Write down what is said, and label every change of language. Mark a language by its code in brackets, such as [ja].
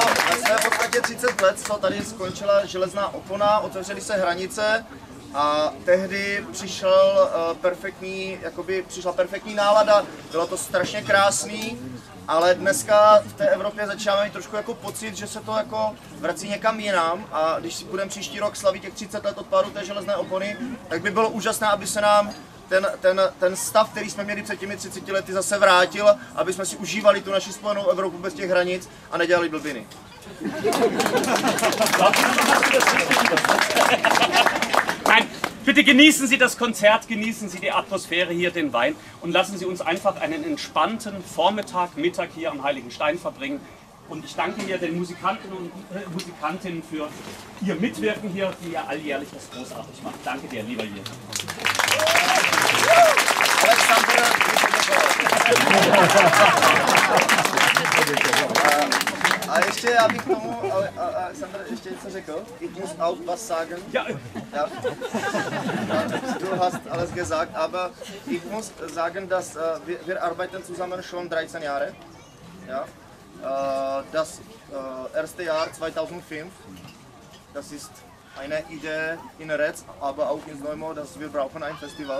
[cs] Ve své podstatě 30 let, co tady skončila železná opona, otevřely se hranice a tehdy přišla perfektní nálada, bylo to strašně krásný, ale dneska v té Evropě začínáme mít trošku jako pocit, že se to jako vrací někam jinam a když si budeme příští rok slavit těch 30 let od pádu té železné opony, tak by bylo úžasné, aby se nám ten stav, který jsme měli před těmi 30 lety, zase vrátil, aby jsme si užívali tu naši spojenou Evropu bez těch hranic a nedělali blbiny. [de] Nein, bitte genießen Sie das Konzert, genießen Sie die Atmosphäre hier, den Wein und lassen Sie uns einfach einen entspannten Vormittag, Mittag hier am Heiligen Stein verbringen. Und ich danke hier den Musikanten und Musikantinnen für ihr Mitwirken hier, die ihr alljährlich das großartig macht. Danke dir, lieber Jiří. Alexander, [cs] ještě, já bych k tomu, ale Sandr ještě něco řekl. It was out was sagen. [de] Ja. Du hast alles gesagt, aber ich muss sagen, dass wir arbeiten zusammen schon 13 Jahre. Ja. Das erste Jahr 2005, das ist eine Idee in Retz, aber auch in Neumo, dass wir brauchen ein Festival.